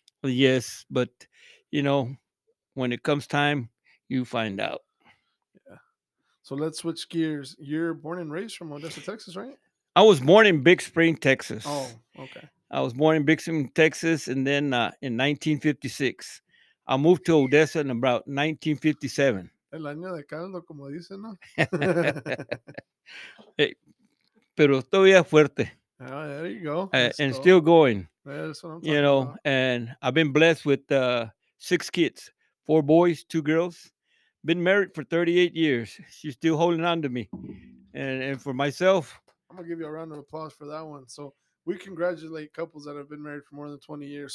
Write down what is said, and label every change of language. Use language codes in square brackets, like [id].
[en] Yes, but, you know, when it comes time, you find out. Yeah. So let's switch gears. You're born and raised from Odessa, Texas, right? I was born in Big Spring, Texas. Oh, okay. I was born in Big Spring, Texas, and then in 1956. I moved to Odessa in about 1957. [es] El año de caldo, como dicen, ¿no? Hey, pero todavía fuerte. [en] There you go. And still going. That's what I'm talking You know, about. And I've been blessed with six kids, four boys, two girls. Been married for 38 years. She's still holding on to me. And for myself. I'm going to give you a round of applause for that one. So we congratulate couples that have been married for more than 20 years.